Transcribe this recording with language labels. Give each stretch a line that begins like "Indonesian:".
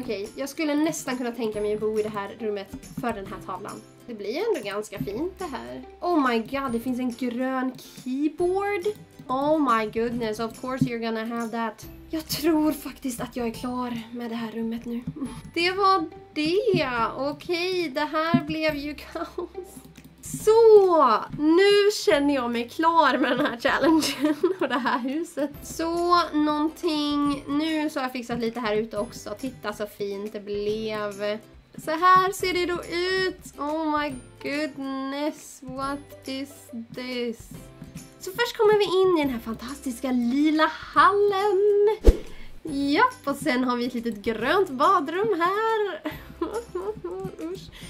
Swedish: Okej, jag skulle nästan kunna tänka mig att bo i det här rummet för den här tavlan. Det blir ändå ganska fint det här.
English: Oh my god,
Swedish: det finns en grön keyboard.
English: Oh my goodness, of course you're gonna have that.
Swedish: Jag tror faktiskt att jag är klar med det här rummet nu. Det var det. Okej, det här blev ju kaos. Så, nu känner jag mig klar med den här challengen och det här huset. Så, någonting. Nu så har jag fixat lite här ute också. Titta så fint det blev. Så här ser det då ut.
English: Oh my goodness, what is this?
Swedish: Så först kommer vi in i den här fantastiska lila hallen. Ja, och sen har vi ett litet grönt badrum här. Usch.